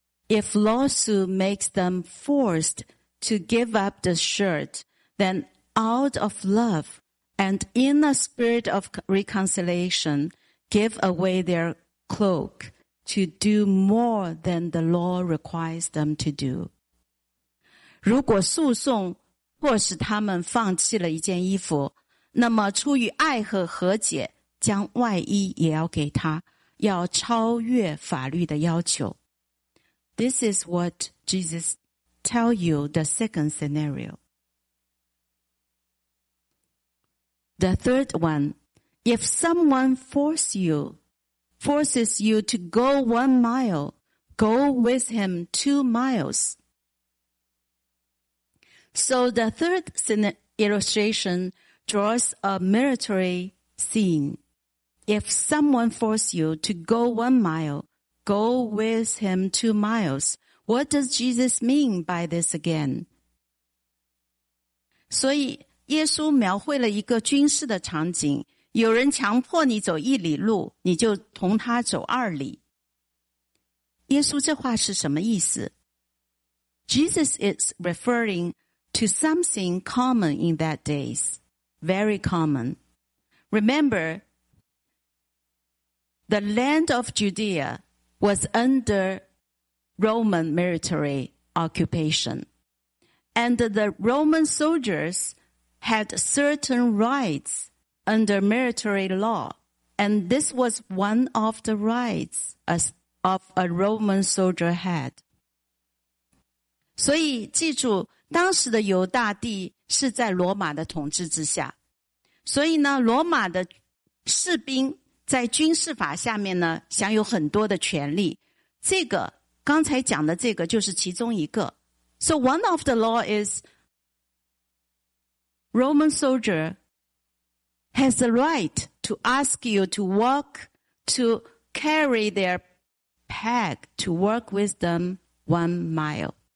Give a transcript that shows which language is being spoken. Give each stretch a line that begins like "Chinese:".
English: If lawsuit makes them forced to give up the shirt, thenOut of love and in a spirit of reconciliation, give away their cloak to do more than the law requires them to do.
Chinese: 如果诉讼迫使他们放弃了一件衣服，那么出于爱和和解，将外衣也要给他，要超越法律的要求。
English: This is what Jesus tells you, the second scenario. The third one, if someone forces you to go 1 mile, go with him 2 miles. So the third illustration draws a military scene. If someone forces you to go 1 mile, go with him 2 miles. What does Jesus mean by this again?
Chinese: 所以耶稣描绘了一个军事的场景，有人强迫你走一里路，你就同他走二里。耶稣这话是什么意思？
English: Jesus is referring to something common in that days, very common. Remember, the land of Judea was under Roman military occupation, and the Roman soldiers... had certain rights under military law, and this was one of the rights of a Roman soldier had.
Chinese: 所以记住，当时的犹大帝是在罗马的统治之下，所以呢，罗马的士兵在军事法下面呢，享有很多的权利。这个，刚才讲的这个就是其中一个。
English: So one of the law is,Roman soldier has the right to ask you to walk, to carry their pack, to walk with them 1 mile.